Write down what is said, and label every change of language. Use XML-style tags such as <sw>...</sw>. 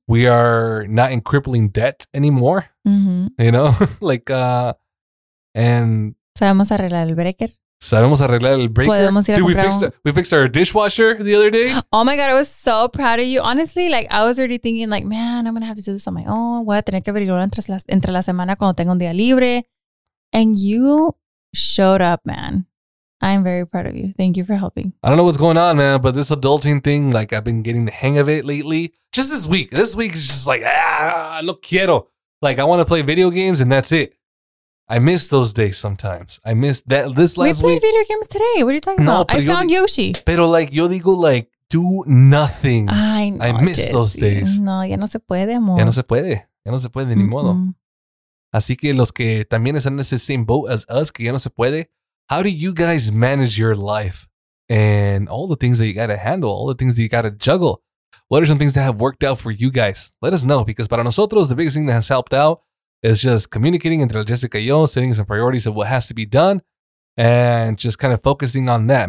<en>We are not in crippling debt anymore. Mm-hmm. You know? Like, and...</en> <es>¿Sabemos arreglar el breaker? ¿Sabemos arreglar el breaker? ¿Podemos ir a comprar</es> <en>we fixed our dishwasher the other day. Oh my God, I was so proud of you. Honestly, like, I was already thinking like, man, I'm going to have to do this on my own.</en> <es>Voy a tener que averiguarlo entre la semana cuando tenga un día libre.</es> <en>And you showed up, man. I'm very proud of you. Thank you for helping. I don't know what's going on, man, but this adulting thing, like I've been getting the hang of it lately. Just this week. This week is just like,</en> <es>no quiero.</es> <en>Like I want to play video games and that's it. I miss those days sometimes. I miss that this last week. We played video games today. What are you talking about? I found Yoshi.</en> <es>Pero like, yo digo like,</es> <en>do nothing. I know, I miss Jesse. Those days.</en> <es>No, ya no se puede, amor. Ya no se puede. Ya no se puede, mm-hmm. ni modo. Así que los que también están en ese</es> <en>same boat as us,</en> <es>que ya no se puede,</es> <en>how do you guys manage your life and all the things that you got to handle, all the things that you got to juggle? What are some things that have worked out for you guys? Let us know, because</en> <es>para nosotros,</es> <en>the biggest thing that has helped out is just communicating</en> <es>entre Jessica y yo,</es> <en>setting some priorities of what has to be done and just kind of focusing on that.</en>